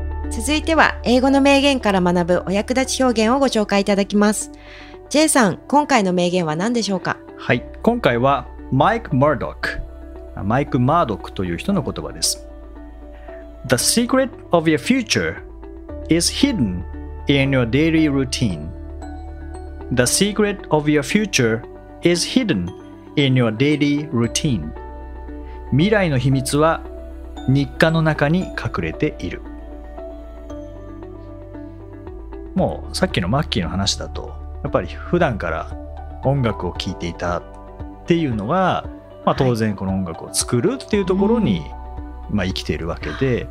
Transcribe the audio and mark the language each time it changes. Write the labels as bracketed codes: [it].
[ja] 続いては英語の名言から学ぶお役立ち表現をご紹介いただきます。 J さん、今回の名言は何でしょうか？はい、今回はマイク・マードックという人の言葉です。 [en] The secret of your future is hidden in your daily routineThe secret of your future is hidden in your daily routine. [ja] 未来の秘密は日課の中に隠れている。もうさっきのマッキーの話だとやっぱり普段から音楽を聴いていたっていうのは、まあ、当然この音楽を作るっていうところに、はい、まあ、生きているわけ で、